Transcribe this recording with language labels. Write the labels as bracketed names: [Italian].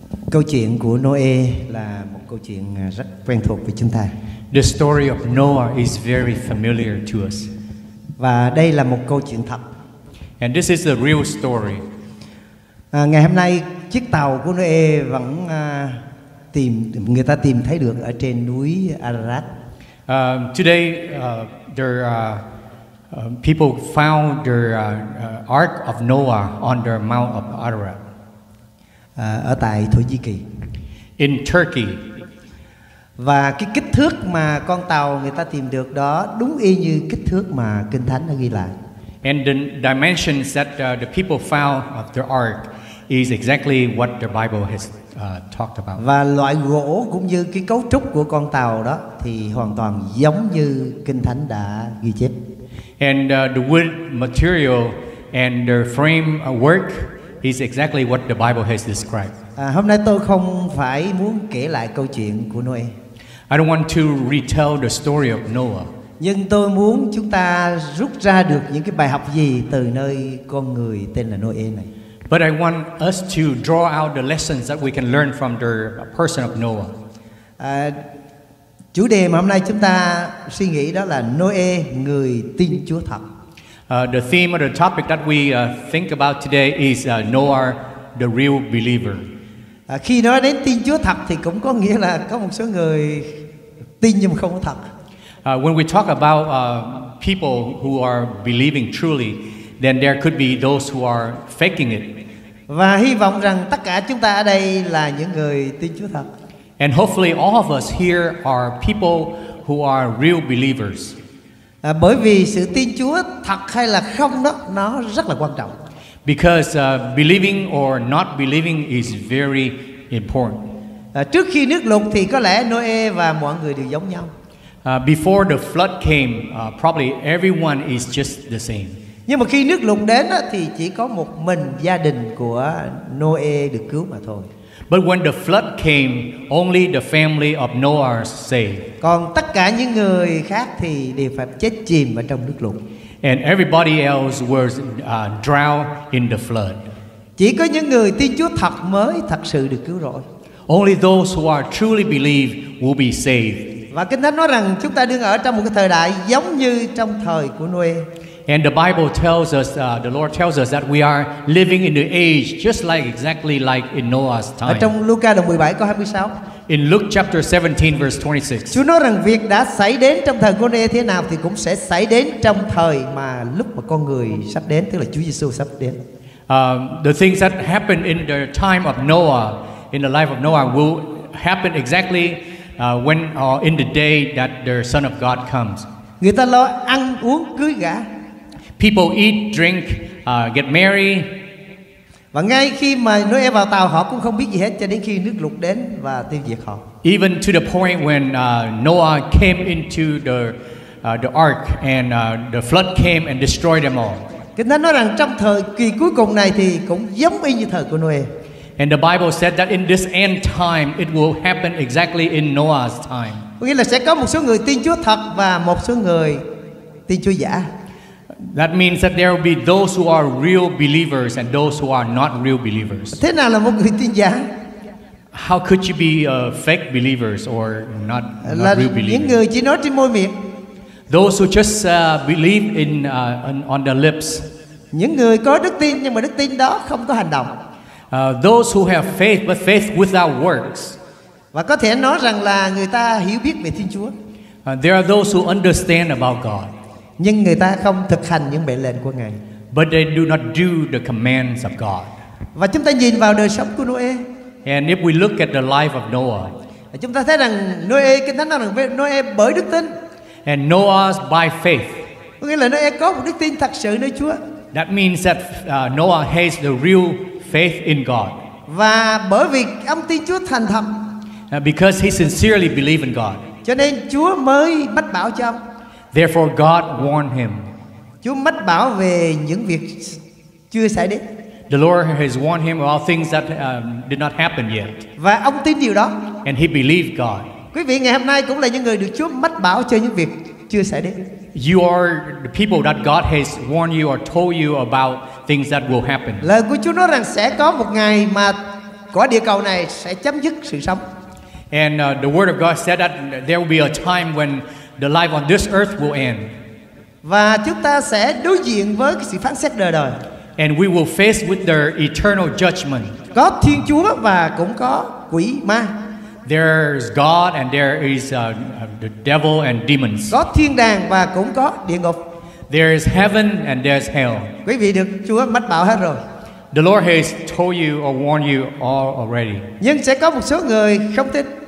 [Vietnamese] Câu chuyện của Noe là một câu chuyện rất quen thuộc với chúng ta. [English] The story of Noah is very familiar to us. [Vietnamese] Và đây là một câu chuyện thật. [English] And this is a real story. [Vietnamese] Ngày hôm nay chiếc tàu của Noe vẫn tìm người ta tìm thấy được ở trên núi Ararat. [English] Today there people found the ark of Noah on the mount of Ararat. [Vietnamese] Ở tại Thổ Nhĩ Kỳ. [English] In Turkey. [Vietnamese] Và cái kích thước mà con tàu người ta tìm được đó đúng y như kích thước mà Kinh Thánh đã ghi lại. [English] And the dimensions that the people found of the ark is exactly what the Bible has talked about. [Vietnamese] Và loại gỗ cũng như cái cấu trúc của con tàu đó thì hoàn toàn giống như Kinh Thánh đã ghi chép. [English] And the wood material and the framework is exactly what the Bible has described. [Vietnamese] Hôm nay tôi không phải muốn kể lại câu chuyện của Noe. [English] I don't want to retell the story of Noah. [Vietnamese] Nhưng tôi muốn chúng ta rút ra được những cái bài học gì từ nơi con người tên là Noe này. [English] But I want us to draw out the lessons that we can learn from the person of Noah. [Vietnamese] Chủ đề mà hôm nay chúng ta suy nghĩ đó là Noe, người tin Chúa thật. [English] The theme of the topic that we think about today is Noah, the real believer. [Vietnamese] Khi nói đến tin Chúa thật thì cũng có nghĩa là có một số người tin nhưng không có thật. [English] When we talk about people who are believing truly, then there could be those who are faking it. [Vietnamese] Và hy vọng rằng tất cả chúng ta ở đây là những người tin Chúa thật. [English] And hopefully all of us here are people who are real believers. [Vietnamese] Bởi vì sự tin Chúa thật hay là không đó, nó rất là quan trọng. [English] Because believing or not believing is very important. [Vietnamese] Trước khi nước lụt thì có lẽ Noe và mọi người đều giống nhau. [English] Before the flood came, probably everyone is just the same. [Vietnamese] Nhưng mà khi nước lụt đến thì chỉ có một mình gia đình của Noe được cứu mà thôi. [English] But when the flood came, only the family of Noah are saved. [Vietnamese] Còn tất cả những người khác thì đều phải chết chìm ở trong nước lụt. [English] And everybody else was drowned in the flood. [Vietnamese] Chỉ có những người tin Chúa thật mới thật sự được cứu rỗi. [English] Only those who are truly believe will be saved. [Vietnamese] Và Kinh Thánh nói rằng chúng ta đang ở trong một cái thời đại giống như trong thời của Noe. [English] And the Bible tells us, the Lord tells us that we are living in the age just like exactly like in Noah's time. [Vietnamese] Ở trong Luca đoạn 17 câu 26. [English] In Luke chapter 17 verse 26. [Vietnamese] Chúa nói rằng việc đã xảy đến trong thời của Noe thế nào thì cũng sẽ xảy đến trong thời mà lúc mà con người sắp đến, tức là Chúa Giêsu sắp đến. [English] The things that happened in the time of Noah, in the life of Noah, will happen exactly when or in the day that the Son of God comes. [Vietnamese] Người ta lo ăn uống cưới gả. [English] People eat, drink, get married. [Vietnamese] Và ngay khi mà Noe vào tàu, họ cũng không biết gì hết cho đến khi nước lụt đến và tiêu diệt họ. [English] Even to the point when Noah came into the ark and the flood came and destroyed them all. [Vietnamese] Kinh Thánh nói rằng trong thời kỳ cuối cùng này thì cũng giống y như thời của Noe. [English] And the Bible said that in this end time it will happen exactly in Noah's time. [Vietnamese] Có nghĩa là sẽ có một số người tin Chúa thật và một số người tin Chúa giả. [English] That means that there will be those who are real believers and those who are not real believers. [Vietnamese] Thế nào là một người tin giả? [English] How could you be fake believers or not real believers? [Vietnamese] Những người chỉ nói trên môi miệng. [English] Those who just believe in on their lips. [Vietnamese] Những người có đức tin nhưng mà đức tin đó không có hành động. [English] Those who have faith but faith without works. [Vietnamese] Và có thể nói rằng là người ta hiểu biết về Thiên Chúa. [English] There are those who understand about God. [Vietnamese] Nhưng người ta không thực hành những mệnh lệnh của Ngài. [English] But they do not do the commands of God. [Vietnamese] Và chúng ta nhìn vào đời sống của Noe. [English] And if we look at the life of Noah. [Vietnamese] Chúng ta thấy rằng Noe, Kinh Thánh nói rằng Noe bởi đức tin. [English] And Noah by faith. [Vietnamese] Có nghĩa là Noe có một đức tin thật sự nơi Chúa. [English] That means that Noah has the real faith in God. [Vietnamese] Và bởi vì ông tin Chúa thành thật. [English] Because he sincerely believed in God. [Vietnamese] Cho nên Chúa mới mách bảo cho ông. [English] Therefore God warned him. [Vietnamese] Chúa mách bảo về những việc chưa xảy đến. [English] The Lord has warned him about things that did not happen yet. [Vietnamese] Và ông tin điều đó. [English] And he believed God. [Vietnamese] Quý vị ngày hôm nay cũng là những người được Chúa mách bảo cho những việc chưa xảy đến. [English] You are the people that God has warned you or told you about things that will happen. [Vietnamese] Lời của Chúa nói rằng sẽ có một ngày mà quả địa cầu này sẽ chấm dứt sự sống. [English] And the word of God said that there will be a time when the life on this earth will end. [Vietnamese] Và chúng ta sẽ đối diện với cái sự phán xét đời đời. [English] And we will face with their eternal judgment. [Vietnamese] Có Thiên Chúa và cũng có quỷ ma. [English] There's God and there is the devil and demons. [Vietnamese] Có thiên đàng và cũng có địa ngục. [English] There is heaven and there's hell. [Vietnamese] Quý vị được Chúa mách bảo hết rồi. [English] The Lord has told you or warned you all already. [Vietnamese] Nhưng sẽ có một số người không tin.